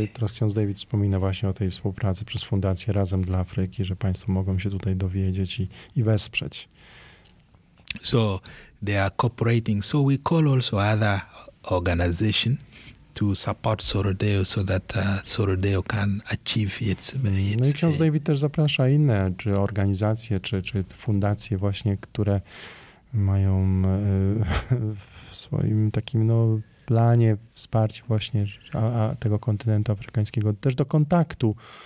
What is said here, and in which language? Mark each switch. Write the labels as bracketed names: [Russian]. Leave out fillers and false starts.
[Polish] Teraz ksiądz David wspomina właśnie o tej współpracy przez Fundację Razem dla Afryki, że państwo mogą się tutaj dowiedzieć i wesprzeć. [English] So they are cooperating. So we call also other organization to support Sorodeo so that Sorodeo can achieve its needs. [Polish] No i ksiądz David też zaprasza inne, czy organizacje, czy fundacje właśnie, które mają w swoim takim planie wsparcia właśnie tego kontynentu afrykańskiego, też do kontaktu.